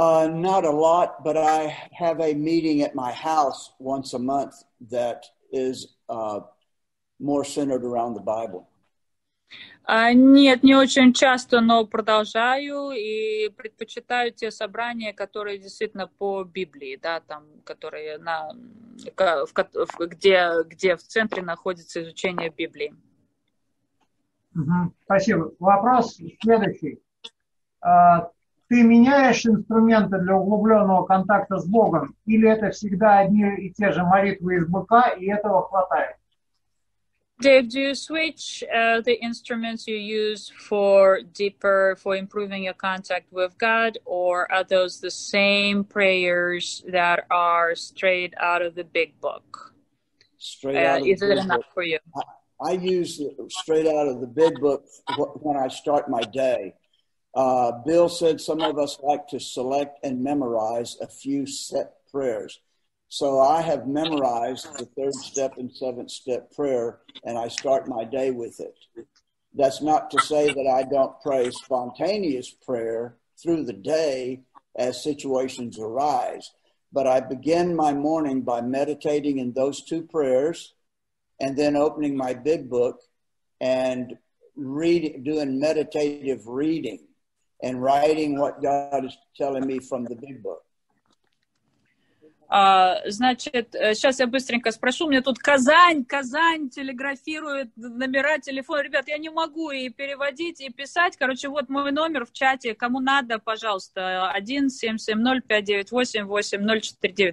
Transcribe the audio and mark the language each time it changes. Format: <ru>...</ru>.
<en>Not a lot, but I have a meeting at my house once a month that is more centered around the Bible.</en> <ru>Нет, не очень часто, но продолжаю и предпочитаю те собрания, которые действительно по Библии, да, там, которые на, где в центре находится изучение Библии. Uh-huh. Спасибо. Вопрос следующий. Ты меняешь инструменты для углубленного контакта с Богом, или это всегда одни и те же молитвы из быка, и этого хватает?</ru> <en>Dave, do you switch the instruments you use for improving your contact with God, or are those the same prayers that are straight out of the big book? Straight out of the big book. I use straight out of the big book when I start my day. Bill said some of us like to select and memorize a few set prayers. So I have memorized the third step and seventh step prayer, and I start my day with it. That's not to say that I don't pray spontaneous prayer through the day as situations arise, But I begin my morning by meditating in those two prayers and then opening my big book and doing meditative reading and writing what God is telling me from the big book.</en> <ru>Значит, сейчас я быстренько спрошу. Мне тут Казань телеграфирует номера телефона. Ребят, я не могу и переводить, и писать. Короче, вот мой номер в чате. Кому надо, пожалуйста, 1-770-598-8049.</ru>